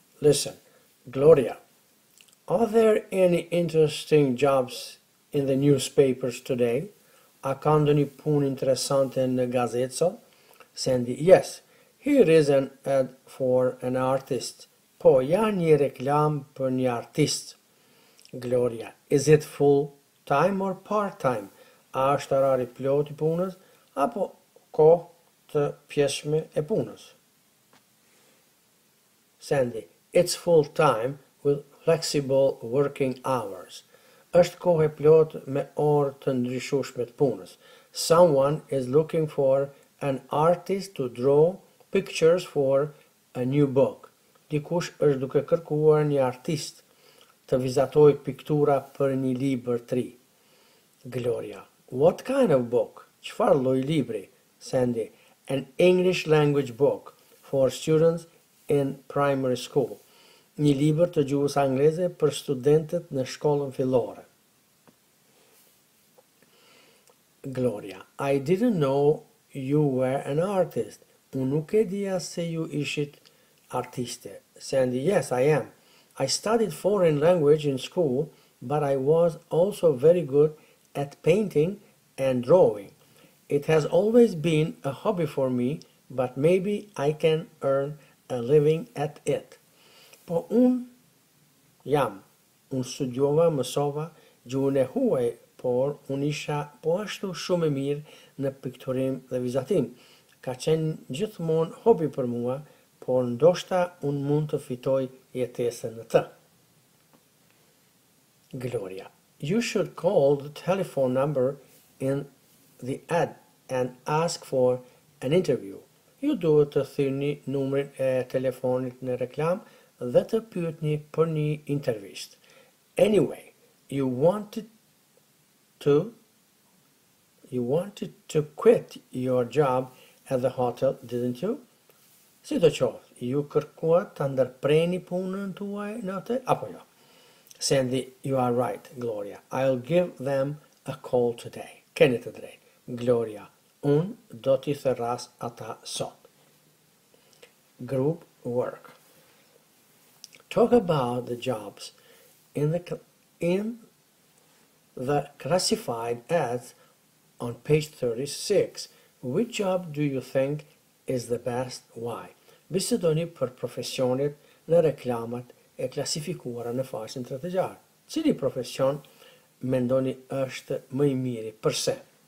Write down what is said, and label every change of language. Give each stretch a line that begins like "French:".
English: Listen, Gloria, are there any interesting jobs in the newspapers today?
Albanian: A kanë pun interesante në gazetë?
English: Sandy, yes, here is an ad for an artist.
Albanian: Po, janë një reklam për një artist.
English: Gloria, is it full time or part time?
Albanian: A është orari plot i punës apo kohë të pjesme e punës?
English: Sandy, it's full time with flexible working hours.
Albanian: Është kohë plot me orë të ndryshueshme të punës.
English: Someone is looking for an artist to draw pictures for a new book.
Albanian: Dikush është duke kërkuar një artist të vizatoj piktura për një libër të ri.
English: Gloria, what kind of book?
Albanian: Çfarë lloj libri?
English: Sandy, an English language book for students in primary school.
Albanian: Një libër të gjuhës angleze për studentët në shkollën fillore.
English: Gloria, I didn't know you were an artist.
Albanian: Unë nuk e dija se ju ishit artiste.
English: Sandy, yes, I am. I studied foreign language in school, but I was also very good at painting and drawing. It has always been a hobby for me, but maybe I can earn a living at it.
Albanian: Po unë jam, unë studiova, mësova, gjuhën e huaj, por unë isha po ashtu shumë e mirë në pikturim dhe vizatim. Ka qenë gjithmonë hobi për mua, por ndoshta unë mund të fitoj jetesën në të.
English: Gloria, you should call the telephone number in the ad and ask for an interview.
Albanian: Ju duhet të thirrni numrin e telefonit në reklam dhe të pyetni për një intervist.
English: Anyway, you wanted to quit your job at the hotel, didn't you?
Albanian: Si të qoftë, ju kërkuat të ndërpreni punën tuaj në hotel, apo jo?
English: Sandy, you are right, Gloria. I'll give them a call today.
Albanian: Keni të drejtë, Gloria. Unë do t'i thërras ata sot.
English: Group work. Talk about the jobs in the classified ads on page 36. Which job do you think is the best? Why?
Albanian: Bisedoni për profesionet në reklamat e klasifikuara në faqen 36. Cili profesion mendoni është më i miri përse?